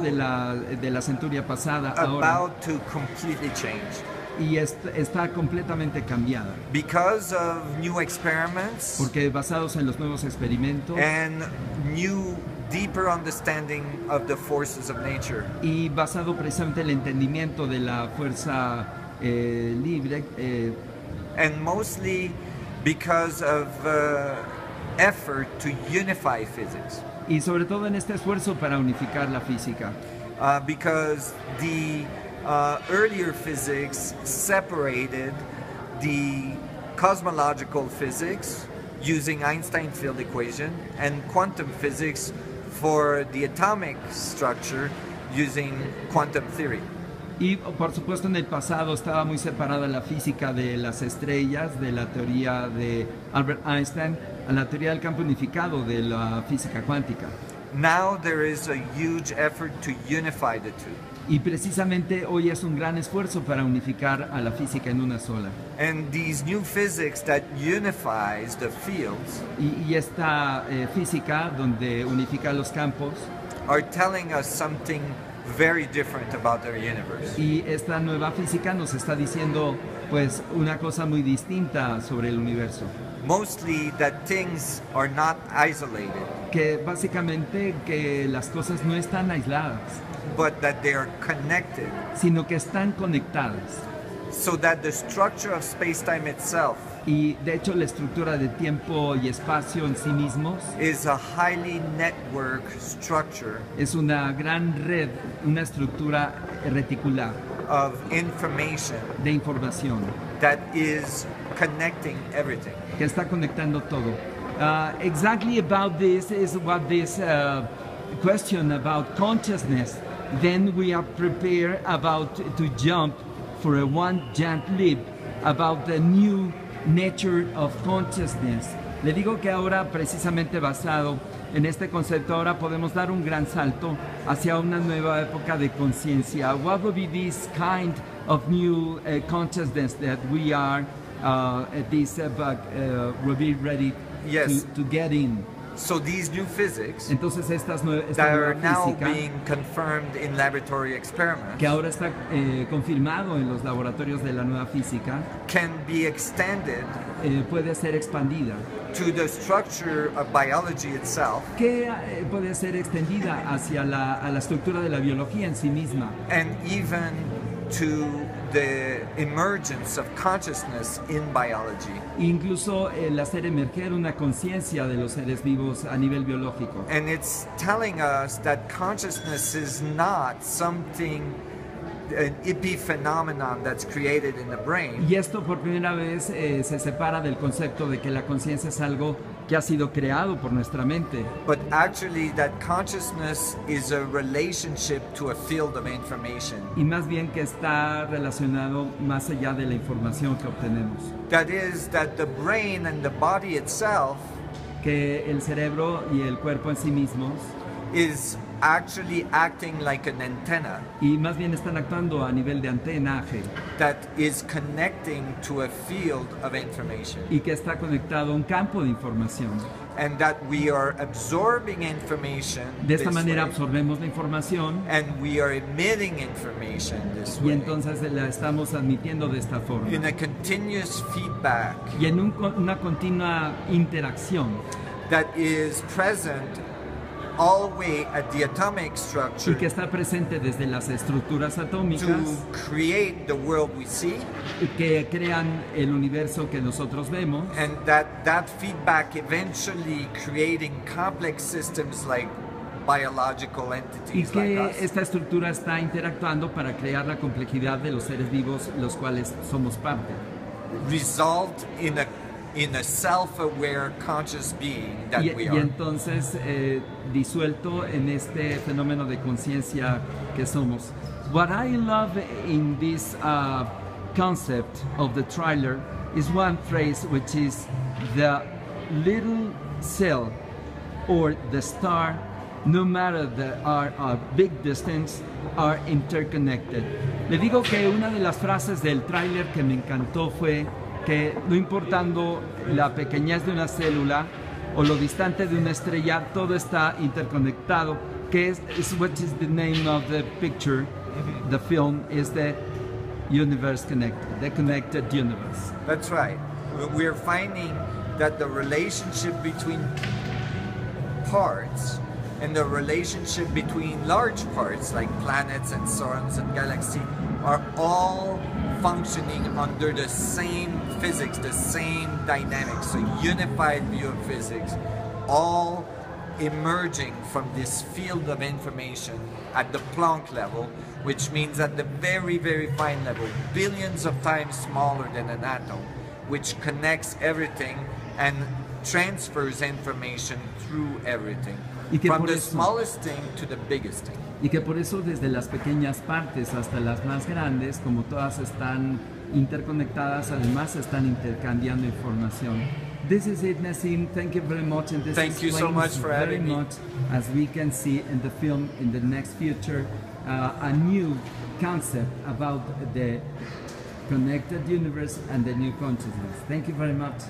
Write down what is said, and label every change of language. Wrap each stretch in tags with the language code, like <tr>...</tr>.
<es>de la centuria pasada,</es> <en>about</en> <es>ahora,</es> <en>to completely change.</en> <es>Y está completamente cambiada.</es> <en>Because of new experiments,</en> <es>porque basados en los nuevos experimentos,</es> <en>and new deeper understanding of the forces of nature,</en> <es>y basado precisamente en el entendimiento de la fuerza libre,</es> <en>and mostly because of effort to unify physics.</en> <es>Y sobre todo en este esfuerzo para unificar la física.</es> <en>Because the earlier physics separated the cosmological physics using Einstein field equation and quantum physics for the atomic structure using quantum theory.</en> <es>Y por supuesto en el pasado estaba muy separada la física de las estrellas, de la teoría de Albert Einstein, a la teoría del campo unificado de la física cuántica.</es> <en>Now there is a huge effort to unify the two.</en> <es>Y precisamente hoy es un gran esfuerzo para unificar a la física en una sola.</es> <en>And these new physics that unifies the fields,</en> <es>y esta física donde unifica los campos,</es> <en>are telling us something very different about their universe.</en> <es>Y esta nueva física nos está diciendo pues una cosa muy distinta sobre el universo.</es> <en>Mostly that things are not isolated.</en> <es>Que básicamente que las cosas no están aisladas.</es> <en>But that they are connected.</en> <es>Sino que están conectadas.</es> <en>So that the structure of space-time itself</en> <es>y de hecho la estructura de tiempo y espacio en sí mismos</es> <en>is a highly networked structure,</en> <es>es una gran red, una estructura reticular</es> <en>of information,</en> <es>de información</es> <en>that is connecting everything,</en> <es>que está conectando todo.</es> <en>Exactly about this is what this question about consciousness, then we are prepared about to jump for a one giant leap about the new nature of consciousness.</en> <es>Le digo que ahora, precisamente basado en este concepto, ahora podemos dar un gran salto hacia una nueva época de conciencia.</es> <en>What would be this kind of new consciousness that we are at this epoch will be ready to get in? So these new physics,</en> <es>entonces estas</es> <en>that are now being confirmed in laboratory experiments,</en> <es>que ahora está confirmado en los laboratorios de la nueva física,</es> <en>can be extended,</en> <es>puede ser expandida,</es> <en>to the structure of biology itself,</en> <es>que puede ser extendida hacia la a la estructura de la biología en sí misma,</es> <en>and even to the emergence of consciousness in biology.</en> <es>Incluso el hacer emerger una conciencia de los seres vivos a nivel biológico.</es> <en>And it's telling us that consciousness is not something, an epiphenomenon that's created in the brain.</en> <es>Y esto por primera vez se separa del concepto de que la conciencia es algo que ha sido creado por nuestra mente.</es> <en>But actually that consciousness is a relationship to a field of information.</en> <es>Y más bien que está relacionado más allá de la información que obtenemos.</es> <en>That is that the brain and the body itself,</en> <es>que el cerebro y el cuerpo en sí mismos,</es> <en>is actually acting like an antenna.</en> <es>Y más bien están actuando a nivel de antenaje.</es> <en>That is connecting to a field of information.</en> <es>Y que está conectado a un campo de información.</es> <en>And that we are absorbing information.</en> <es>De esta manera</es> <en>way,</en> <es>absorbemos la información.</es> <en>And we are emitting information this</en> <es>y</es> <en>way.</en> <es>Y entonces la estamos admitiendo de esta forma.</es> <en>In a continuous feedback.</en> <es>Y en una continua interacción.</es> <en>That is present all way at the atomic structure,</en> <es>y que está presente desde las estructuras atómicas,</es> <en>to create the world we see,</en> <es>y que crean el universo que nosotros vemos,</es> <en>and that feedback eventually creating complex systems like biological entities like us.</en> <es>Y que esta estructura está interactuando para crear la complejidad de los seres vivos los cuales somos parte.</es> <en>Result in a self-aware conscious being that</en> <es>y,</es> <en>we are.</en> <es>Y entonces disuelto en este fenómeno de conciencia que somos.</es> <en>What I love in this concept of the trailer is one phrase, which is the little cell or the star, no matter the are a big distance, are interconnected.</en> <es>Le digo que una de las frases del trailer que me encantó fue que no importando la pequeñez de una célula o lo distante de una estrella, todo está interconectado. Que es</es> <en>what is the name of the picture, the film, is the universe connected, the connected universe. That's right. We are finding that the relationship between parts and the relationship between large parts like planets and suns and galaxies are all functioning under the same physics, the same dynamics, a unified view of physics, all emerging from this field of information at the Planck level, which means at the very, very fine level, billions of times smaller than an atom, which connects everything and transfers information through everything, from the smallest thing to the biggest thing.</en> <es>Y que por eso desde las pequeñas partes hasta las más grandes, como todas están interconectadas, además están intercambiando información.</es> <en>This is it, Nassim. Thank you very much. And this thank you so much for very having much, me. As we can see in the film, in the next future, a new concept about the connected universe and the new consciousness. Thank you very much.</en>